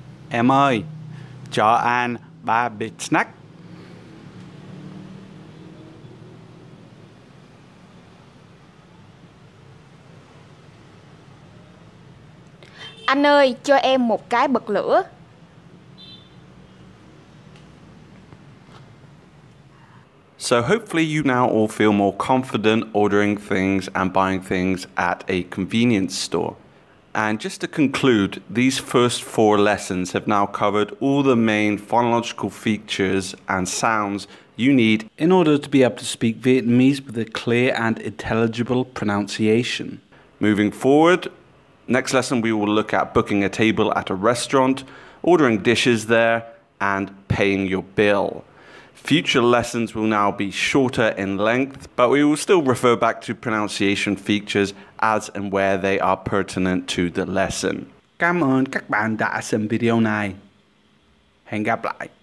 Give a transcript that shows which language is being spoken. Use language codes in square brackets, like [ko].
[vi] Em ơi, cho anh ba bịch snack. Anh ơi, cho em một cái bật lửa. [en] So hopefully you now all feel more confident ordering things and buying things at a convenience store. And just to conclude, these first four lessons have now covered all the main phonological features and sounds you need in order to be able to speak Vietnamese with a clear and intelligible pronunciation. Moving forward, next lesson we will look at booking a table at a restaurant, ordering dishes there, and paying your bill. Future lessons will now be shorter in length, but we will still refer back to pronunciation features as and where they are pertinent to the lesson. [vi] Cảm ơn các bạn đã xem video này. Hẹn gặp lại.